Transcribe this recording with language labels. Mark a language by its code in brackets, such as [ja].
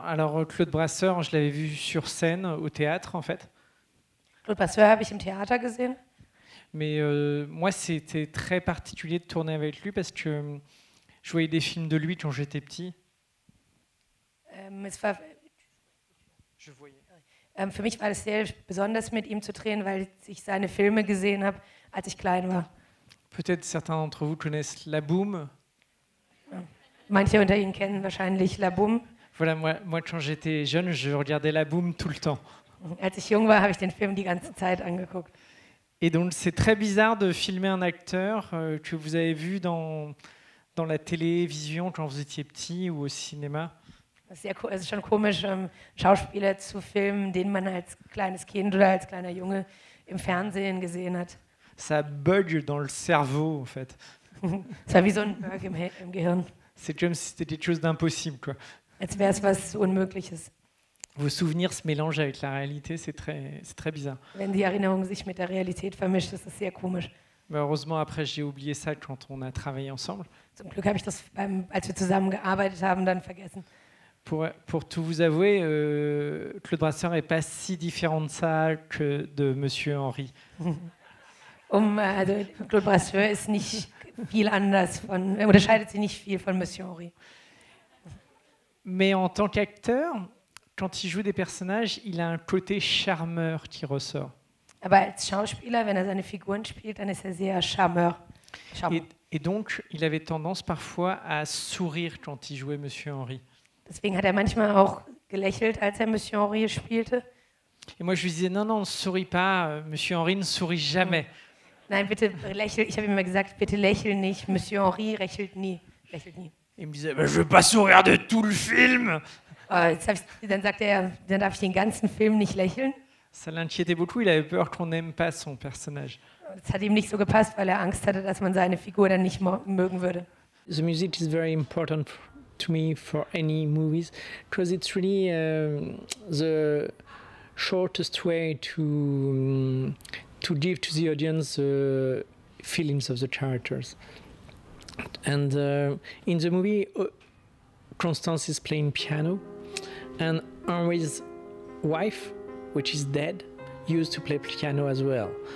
[fr] Alors, Claude Brasseur, je l'avais vu sur scène, au théâtre, en fait. [de] Claude Brasseur habe ich im Theater gesehen. [fr] Mais moi, c'était très particulier de tourner avec lui parce que je voyais des films de lui quand j'étais petit. Je voyais. [de] Für mich war es sehr besonders, mit ihm zu drehen, weil ich seine Filme gesehen habe, als ich klein war. [fr] Peut-être certains d'entre vous connaissent La Boum. [de] Manche unter Ihnen kennen wahrscheinlich La Boum. [fr] Voilà, moi, quand j'étais jeune, je regardais La Boum tout le temps. [de] Als ich jung war, habe ich den Film die ganze Zeit angeguckt. [fr] Et donc, c'est très bizarre de filmer un acteur que vous avez vu dans la télévision quand vous étiez petit ou au cinéma. C'est [de] schon komisch, Schauspieler zu filmen, den man als kleines Kind oder als kleiner Junge im Fernsehen gesehen hat. [fr] Ça bug dans le cerveau, en fait. Ça a [de] wie so ein bug im Gehirn. [fr] C'est comme si c'était quelque chose d'impossible, quoi. [de] Als wäre es was Unmögliches. [fr] Vos souvenirs se mélangent avec la réalité, c'est très bizarre. [de] Wenn die Erinnerung sich mit der Realität vermischt, ist es sehr komisch. [fr] Mais heureusement, après, j'ai oublié ça quand on a travaillé ensemble. [de] Zum Glück habe ich das, als wir zusammen gearbeitet haben, dann vergessen. [fr] Pour tout vous avouer, Claude Brasseur n'est pas si différent de ça que de Monsieur Henri. [de] Claude Brasseur ist nicht viel anders von, unterscheidet sich nicht viel von Monsieur Henri. [fr] Mais en tant qu'acteur, quand il joue des personnages, il a un côté charmeur qui ressort. [de] Aber als Schauspieler, wenn er seine Figuren spielt, dann ist er sehr charmeur. [fr] Et donc, il avait tendance parfois à sourire quand il jouait Monsieur Henri. [de] Deswegen hat er manchmal auch gelächelt, als er Monsieur Henri spielte. [fr] Et moi, je lui disais, non, souris pas, Monsieur Henri ne sourit jamais. [de] Nein, bitte lächel, ich habe ihm immer gesagt, bitte lächel nicht, Monsieur Henri lächelt nie. [fr] Il me disait, je veux pas sourire de tout le film. [de] Dann sagt er, dann darf ich den ganzen Film nicht lächeln. [fr] Ça l'inquiétait beaucoup, il avait peur qu'on n'aime pas son personnage. [de] Das hat ihm nicht so gepasst, weil er Angst hatte, dass man seine Figur dann nicht mögen würde. [en] The music is very important to me for any movies, because it's really the shortest way to give to the audience the feelings of the characters. And in the movie, Constance is playing piano, and Henri's wife, which is dead, used to play piano as well.